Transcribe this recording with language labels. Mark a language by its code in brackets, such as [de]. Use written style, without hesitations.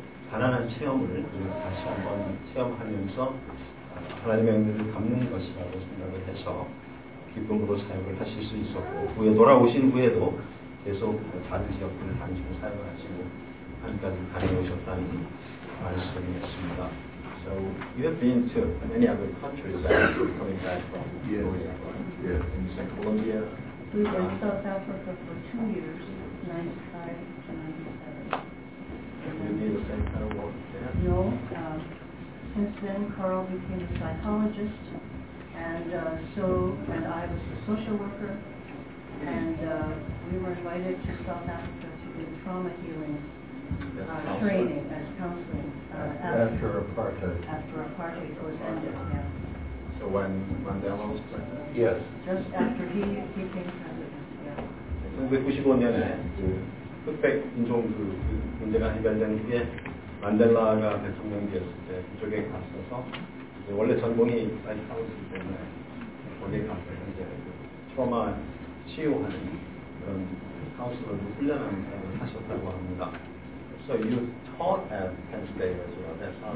[ko] 가난한 체험을 다시 한번 체험하면서 하나님의 은혜를 담는 것이라고 생각을 해서 기쁨으로 사역을 하실 수 있었고, 후에 돌아오신 후에도 계속 다른 지역들을 다니시고 사역을 하시고 하늘까지 다녀오셨다는 말씀이었습니다. [en] So you have been to many other countries that you're coming back from. Yes. Yes. In Colombia. We were in South Africa for 2 years, 1995 to 1997. Did you do the same kind of work there? No. Since then, Carl became a psychologist, and I was a social worker, and we were invited to South Africa to do trauma healing training as counseling after apartheid was ended. So when Mandela was president? Yes. Just after he became president. Yeah. [ko] 1995년에 흑백 인종 그 문제가 해결된 후에 만델라가 대통령 되었을 때 그쪽에 갔어서 이제 원래 전공이 사이코로지 때문에 거기에 가서 이제 트라우마 치유하는 그런 카운슬러로 훈련하는 사람을 하셨다고 합니다. [en] So you taught at Penn State as well?